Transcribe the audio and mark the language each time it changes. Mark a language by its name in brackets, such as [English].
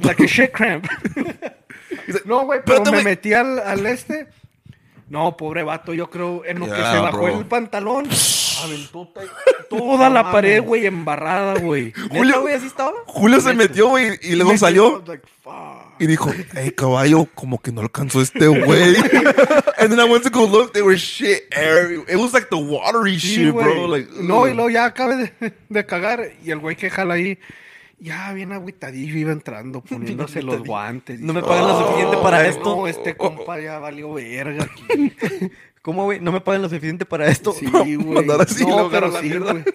[English] Like a shit cramp. [Spanish] No, güey, pero me metí al este. No, pobre vato. Yo creo en lo que se bajó el pantalón. Toda la pared, güey, embarrada, güey. Julio, güey, así estaba. Julio se metió, güey, y luego salió. Y dijo, hey, caballo, como que no alcanzó este güey. [English] And then I went to go look, they were shit everywhere. It was like the watery shit, [Spanish] wey. [English] Bro. Like, [Spanish] no, y luego ya acabé de cagar. Y el güey que jala ahí, ya bien agüitadillo, iba entrando, poniéndose los guantes. No me pagan lo suficiente para esto. No, este compa ya valió verga aquí. ¿Cómo, güey? ¿No me pagan lo suficiente para esto? Sí, güey. Mandar así, no, pero la sí, mierda.